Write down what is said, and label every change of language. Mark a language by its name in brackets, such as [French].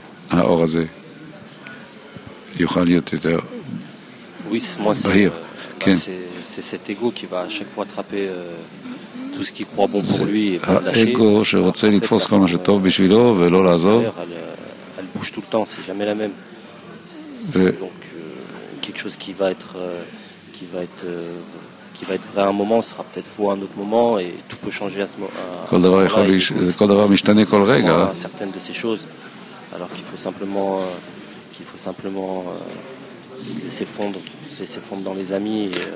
[Hebrew] האור הזה יוכל להיות יותר בהיר. [French] C'est ego qui va à chaque fois attraper tout ce qu'il croit bon pour lui et pas lâcher. [Hebrew] Ego שרוצה לתפוס כל מה שטוב בשבילו ולא לעזוב. [French] Elle bouge tout le temps, c'est jamais la même. Donc quelque chose qui va être vrai à un moment sera peut-être faux à un autre moment et tout peut changer à ce moment. Certaines de ces choses. Alors qu'il faut simplement se laisser fondre dans les amis.